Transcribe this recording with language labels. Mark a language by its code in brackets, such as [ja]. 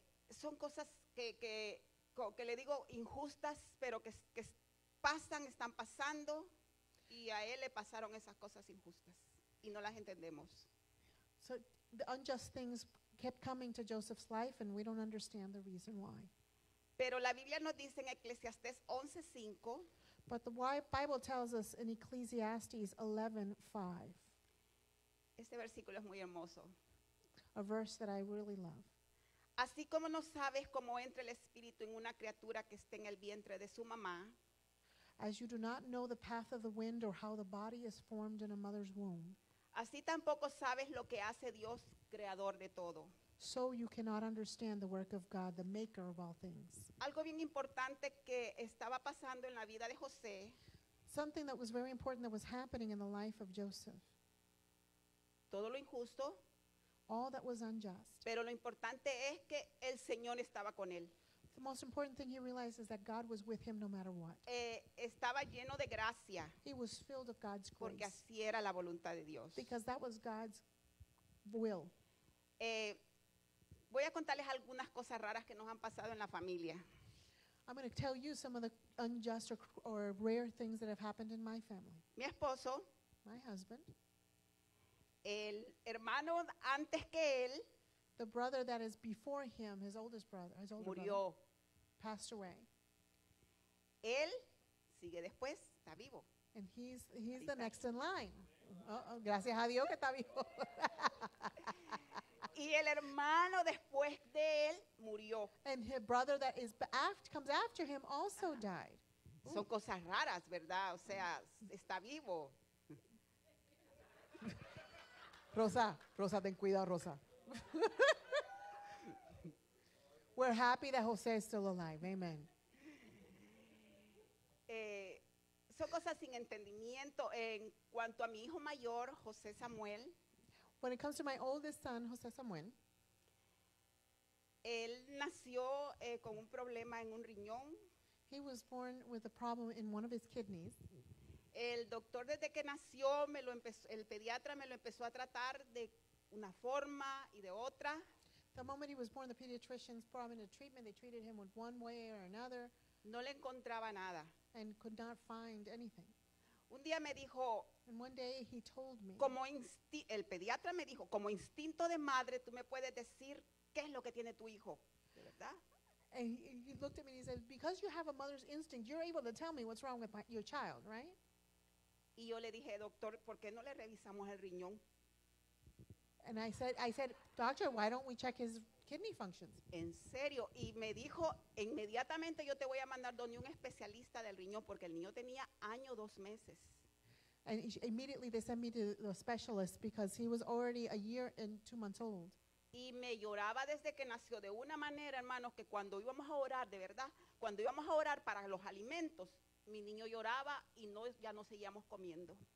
[es] Son cosas que le digo injustas, pero que pasan, están pasando, y a él le pasaron esas cosas injustas y no las entendemos. [en] So the unjust things kept coming to Joseph's life, and we don't understand the reason why. [es] Pero la Biblia nos dice en Eclesiastés 11:5. [en] But the Bible tells us in Ecclesiastes 11:5. [es] Este versículo es muy hermoso. [en] A verse that I really love. [es] Así como no sabes cómo entra el espíritu en una criatura que está en el vientre de su mamá. [en] As you do not know the path of the wind or how the body is formed in a mother's womb. [es] Así tampoco sabes lo que hace Dios, creador de todo. [en] So you cannot understand the work of God, the maker of all things. [es] Algo bien importante que estaba pasando en la vida de José. [en] Something that was very important that was happening in the life of Joseph. [es] Todo lo injusto. [en] All that was unjust. [es] Pero lo importante es que el Señor estaba con él. [en] The most important thing he realized is that God was with him no matter what. [es] Estaba lleno de gracia. [en] He was filled with God's grace. [es] Porque así era la voluntad de Dios. [en] Because that was God's will. [es] Voy a contarles algunas cosas raras que nos han pasado en la familia. [en] I'm going to tell you some of the unjust or rare things that have happened in my family. [es] Mi esposo. [en] My husband. [es] El hermano antes que él. [en] The brother that is before him, his oldest brother, his older [es] murió. [en] Brother, passed away. [es] Él sigue después, está vivo. [en] And he's the next in line. [es] Gracias a Dios que está vivo. Y el hermano después de él murió. [en] And his brother that is comes after him also died. [es] Son cosas raras, ¿verdad? O sea, está vivo. Rosa, ten cuidado, Rosa. [en] We're happy that Jose is still alive. Amen. [es] Son cosas sin entendimiento en cuanto a mi hijo mayor, José Samuel. [en] When it comes to my oldest son, José Samuel, [es] él nació con un problema en un riñón. [en] He was born with a problem in one of his kidneys. [es] El doctor desde que nació el pediatra me lo empezó a tratar de una forma y de otra. [en] The moment he was born, the pediatrician's problem in treatment, they treated him with one way or another. [es] No le encontraba nada. [en] And could not find anything. [es] Un día me dijo, [en] and one day he told me, [es] el pediatra me dijo, como instinto de madre, tú me puedes decir qué es lo que tiene tu hijo. ¿De verdad? [en] And he looked at me and he said, because you have a mother's instinct, you're able to tell me what's wrong with your child, right? [es] Y yo le dije, doctor, ¿por qué no le revisamos el riñón? [en] And I said, doctor, why don't we check his kidney functions? [es] En serio. Y me dijo, inmediatamente yo te voy a mandar donde un especialista del riñón, porque el niño tenía año dos meses. [en] And immediately they sent me to the specialist because he was already a year and 2 months old. [es] Y me lloraba desde que nació de una manera, hermanos, que cuando íbamos a orar, de verdad, cuando íbamos a orar para los alimentos, mi niño lloraba y no, ya no seguíamos comiendo.